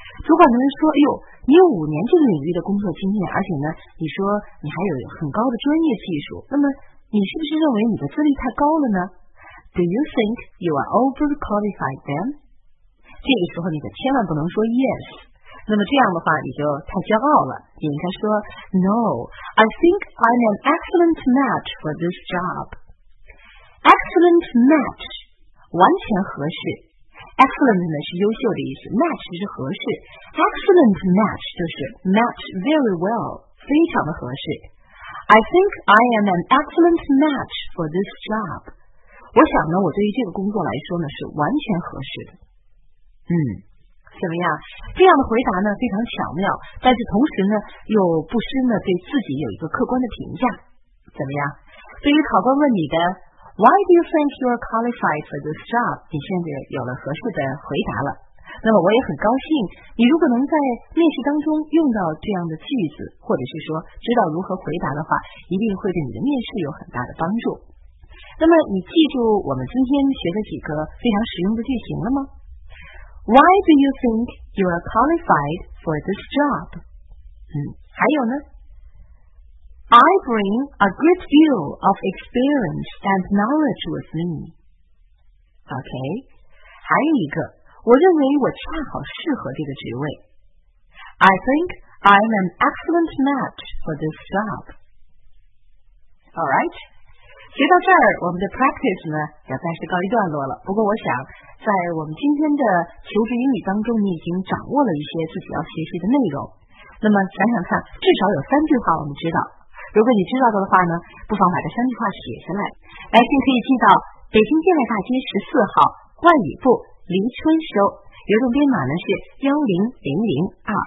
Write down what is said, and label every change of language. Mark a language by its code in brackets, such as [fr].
[zh] 主管的人说，哎呦，你有五年这个领域的工作经验，而且呢你说你还有很高的专业技术，那么你是不是认为你的资历太高了呢？ [en] Do you think you are overqualified then? [zh] 这个时候你可千万不能说 yes， 那么这样的话你就太骄傲了。你应该说 [en] No, I think I'm an excellent match for this job. [zh] Excellent match, 完全合适。 Excellent 呢是优秀的意思 ，match 是合适 ，excellent match 就是 [en] match very well， [zh] 非常的合适。 [en] I think I am an excellent match for this job。 [zh] 我想呢，我对于这个工作来说呢是完全合适的。怎么样？这样的回答呢非常巧妙，但是同时呢又不失呢对自己有一个客观的评价。怎么样？对于考官问你的 [en] Why do you think you are qualified for this job？ [zh] 你现在有了合适的回答了。那么我也很高兴，你如果能在面试当中用到这样的句子，或者是说知道如何回答的话，一定会对你的面试有很大的帮助。那么你记住我们今天学的几个非常实用的句型了吗？ [en] Why do you think you are qualified for this job? [zh] 还有呢? [en] I bring a great deal of experience and knowledge with me. [zh] Okay, 还有一个,我认为我恰好适合这个职位。 [en] I think I'm an excellent match for this job. Alright. [zh] 学到这儿，我们的 practice 呢要暂时告一段落了。不过我想在我们今天的求职英语当中，你已经掌握了一些自己要学习的内容。那么想想看，至少有三句话我们知道。如果你知道的话呢，不妨把这三句话写下来，来信可以寄到北京电外大街14号万里部黎春收，邮政编码呢是100022。